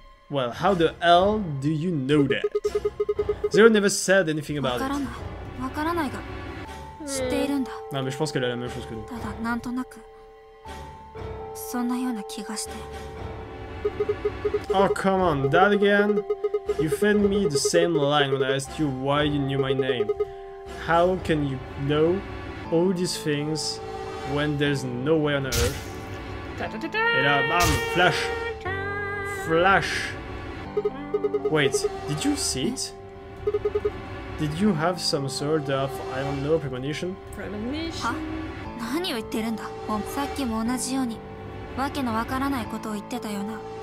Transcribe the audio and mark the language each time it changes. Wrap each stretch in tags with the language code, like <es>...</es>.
<en>Well, how the hell do you know that? Zero never said anything about it.</en> <ja>わからないが、知っているんだ。</ja> <fr>Non, mais je pense qu'elle a la même chose que nous.</fr> <ja>ただなんとなく、そんなような気がして。</ja> <en>Oh, come on, that again? You fed me the same line when I asked you why you knew my name. How can you know all these things? When there's nowhere on earth.</en> <fr>Et là, bam, flash. Flash.</fr> <en>Wait, did you see it? Did you have some sort of, I don't know, premonition? Premonition?</en> <ja>Huh? 何を言ってるんだ? さっきも同じように、わけのわからないことを言ってたよな。</ja>